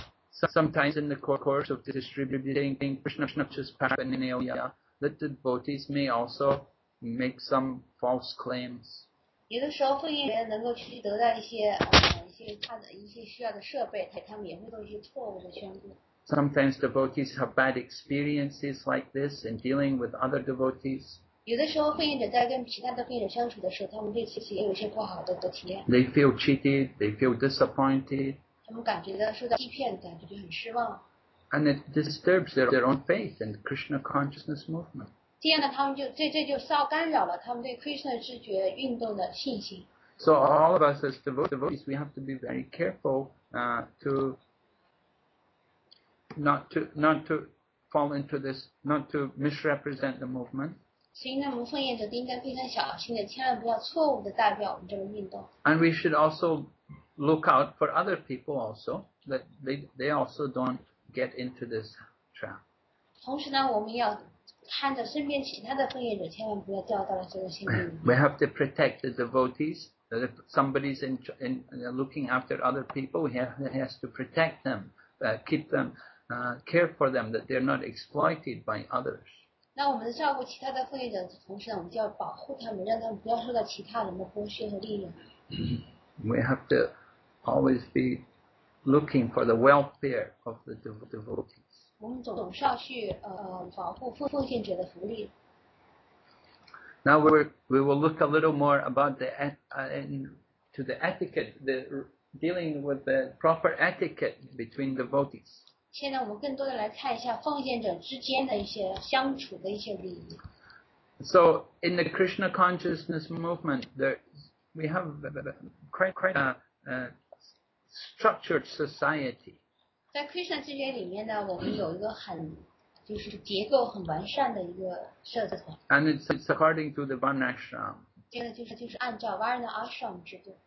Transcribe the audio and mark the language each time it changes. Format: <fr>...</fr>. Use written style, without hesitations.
<en>Sometimes in the course of distributing Krishna's paraphernalia, the devotees may also make some false claims.</en> <zh>有的时候奉献人能够去得到一些需要的设备，他们也会做一些错误的宣布。</zh> <en>Sometimes devotees have bad experiences like this in dealing with other devotees.</en> <zh>有的时候奉献者在跟其他的奉献者相处的时候，他们对自己也有一些不好的体验。</zh> <en>They feel cheated. They feel disappointed.</en> <zh>他们感觉到受到欺骗，感觉就很失望。</zh> <en>And it disturbs their own faith in the Krishna consciousness movement.</en> <zh>这样呢，他们就这就稍干扰了他们对 Krishna 知觉运动的信心。</zh> <en>So all of us as devotees, we have to be very careful, to not fall into this, not to misrepresent the movement.</en> <zh>所以呢，我们奉献者应该非常小心的，千万不要错误的代表我们这个运动。</zh> <en>And we should also look out for other people also, that they also don't get into this trap.</en> <zh>同时呢，我们要看着身边其他的奉献者，千万不要掉到了这个陷阱里。</zh> <en>We have to protect the devotees. That if somebody's in looking after other people, he has to protect them, keep them, care for them, that they're not exploited by others.</en> <zh>那我们照顾其他的奉献者的同时，我们就要保护他们，让他们不要受到其他人的剥削和利用。</zh> <en>We have to always be looking for the welfare of the devotees.</en> <zh>我们总是要去保护奉献者的福利。</zh> <en>Now we will look a little more about to the etiquette, the dealing with the proper etiquette between devotees.</en> <zh>现在我们更多的来看一下奉献者之间的一些相处的一些礼仪。</zh> <en>So in the Krishna consciousness movement, we have quite a structured society.</en> <zh>在 Krishna 知觉里面呢，我们有一个很就是结构很完善的一个社团。</zh> <en>And it's according to the Varnashram.</en> <zh>这个就是按照 Varnashram 制度。</zh>